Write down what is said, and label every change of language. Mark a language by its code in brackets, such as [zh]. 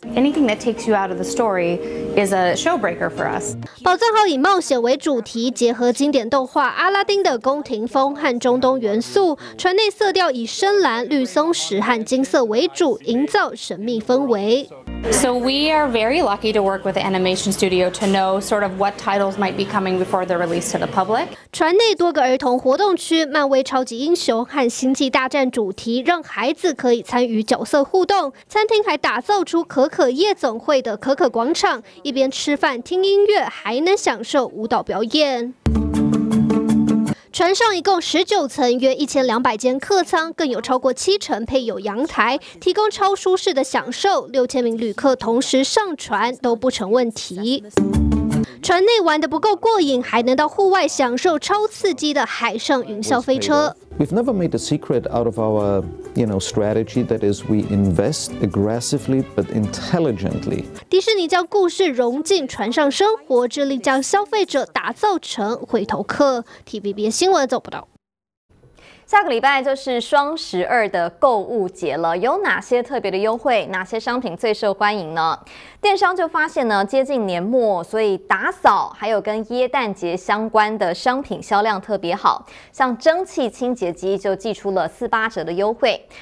[en] Anything that takes you out of the story is a showbreaker for us. [zh] 宝藏号以冒险为主题，结合经典动画《阿拉丁》的宫廷风和中东元素，船内色调以深蓝、绿松石和金色为主，营造神秘氛围。 [en] So we are very lucky to work with the animation studio to know sort of what titles might be coming before they're released to the public. [zh] 船内多个儿童活动区，漫威超级英雄和星际大战主题，让孩子可以参与角色互动。餐厅还打造出可可夜总会的可可广场，一边吃饭听音乐，还能享受舞蹈表演。船上一共19层，约1200间客舱，更有超过70%配有阳台，提供超舒适的享受。 6000名旅客同时上船都不成问题。船内玩得不够过瘾，还能到户外享受超刺激的海上云霄飞车。 [en] We've never made a secret out of our, you know, strategy. That is, we invest aggressively but intelligently. [zh] 迪士尼将故事融进船上生活，致力将消费者打造成回头客。 TVB 新闻走不到。下个礼拜就是双12的购物节了，有哪些特别的优惠？哪些商品最受欢迎呢？电商就发现呢，接近年末，所以打扫还有跟耶诞节相关的商品销量特别好，像蒸汽清洁机就寄出了48折的优惠。